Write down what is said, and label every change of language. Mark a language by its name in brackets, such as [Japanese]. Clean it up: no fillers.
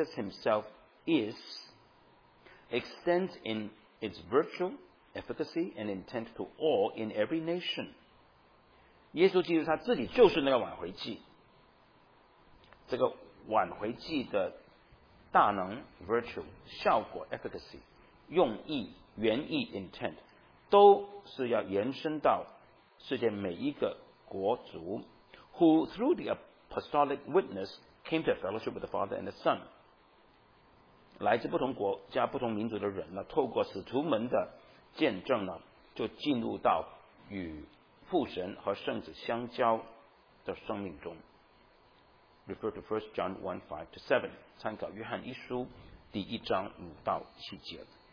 [English] The propitiation which Jesus himself is extends in its virtue, efficacy, and intent to all in every nation. [Chinese] 耶稣基督他自己就是那个挽回祭。这个挽回祭的大能 virtue, 效果 efficacy, 用意原意 intent, 都是要延伸到世界每一个国族 [English] who through the apostolic witness came to a fellowship with the Father and the Son. [Chinese] 来自不同国家不同民族的人呢透过使徒们的见证呢就进入到与父神和圣子相交的生命中 [English] refer to 1 John 1:5-7 [Chinese] 参考约翰一书第一章五到七节